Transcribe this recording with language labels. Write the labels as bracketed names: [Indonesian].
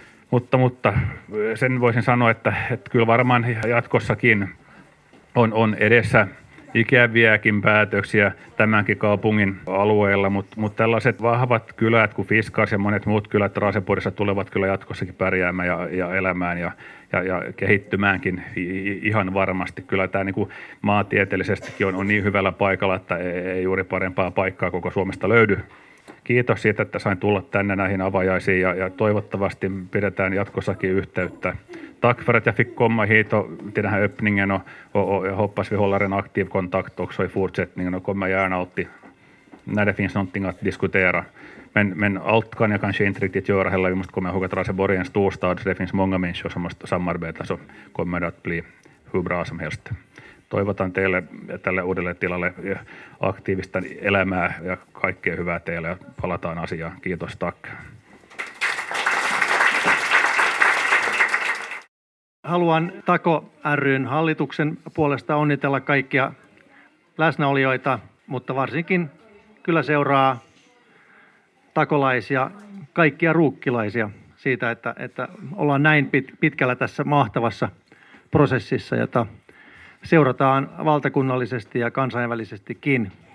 [Finnish] Mutta sen voisin sanoa, että kyllä varmaan jatkossakin on edessä ikävääkin päätöksiä tämänkin kaupungin alueella, mutta tällaiset vahvat kylät kuin Fiskars ja monet muut kylät Raaseporissa tulevat kyllä jatkossakin pärjäämään ja elämään ja kehittymäänkin ihan varmasti. Kyllä tämä niin kuin maantieteellisestikin on niin hyvällä paikalla, että ei juuri parempaa paikkaa koko Suomesta löydy. Kiitos siitä, että sain tulla tänne näihin avajaisiin ja toivottavasti pidetään jatkossakin yhteyttä. [Swedish] Tack för att jag fick komma hit och till den här öppningen och hoppas vi håller en aktiv kontakt också i fortsättningen och kommer gärna alltid när det finns någonting att diskutera. Men allt kan jag kanske inte riktigt göra heller. Vi måste komma ihåg att Raseborg är en storstad så det finns många människor som måste samarbeta så kommer det att bli hur bra som helst. [Finnish] Toivotan teille ja tälle uudelle tilalle aktiivista elämää ja kaikkea hyvää teille ja palataan asiaan. Kiitos, tack. Haluan Tako ry:n hallituksen puolesta onnitella kaikkia läsnäolijoita, mutta varsinkin kyllä seuraa takolaisia, kaikkia ruukkilaisia siitä, että ollaan näin pitkällä tässä mahtavassa prosessissa, jota seurataan valtakunnallisesti ja kansainvälisestikin.